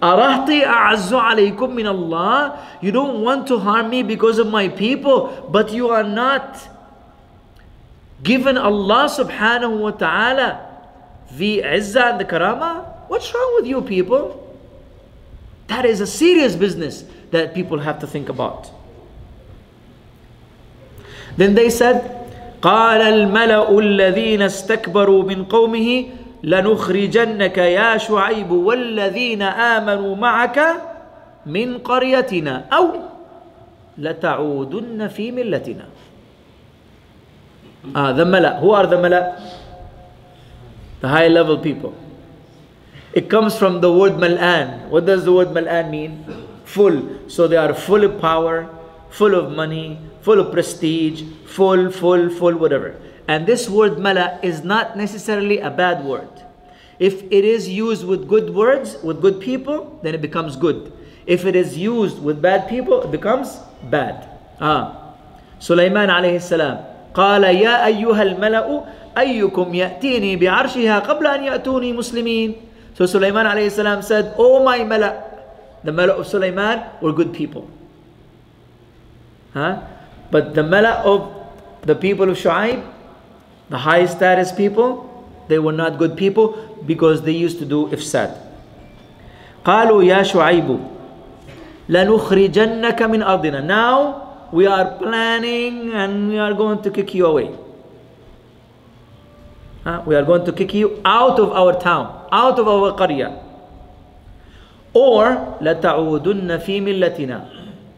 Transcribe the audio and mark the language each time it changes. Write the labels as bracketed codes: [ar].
[ar] Arahti a'azzu alaykum min Allah, [en] you don't want to harm me because of my people, but you are not given Allah subhanahu wa ta'ala the izzah and the karama? What's wrong with you people? That is a serious business that people have to think about. Then they said, [ar] قال الملأ الذين استكبروا من قومه لنخرجنك يا شعيب والذين آمنوا معك من قريتنا أو لتعودن في ملتنا. [en] The Mala. Who are the Mala? The high level people. It comes from the word Mal'an. What does the word Mal'an mean? Full. So they are full of power, full of money, full of prestige, full, whatever. And this word Mala is not necessarily a bad word. If it is used with good words, with good people, then it becomes good. If it is used with bad people, it becomes bad. Sulaiman alayhi salam. [ar] قال يا أيها الملأ أيكم يأتيني بعرشها قبل أن يأتوني مسلمين. [en] So Sulaiman عليه السلام said, oh my ملأ, the ملأ of Sulaiman were good people. But the ملأ of the people of Shu'aib, the high status people, they were not good people because they used to do ifsad. [ar] قالوا يا شعيب لنخرجنك من أرضنا. [en] Now we are planning and we are going to kick you away. We are going to kick you out of our town, out of our qarya. [ar] Or, لَتَعُودُنَّ فِي مِلَّتِنَا.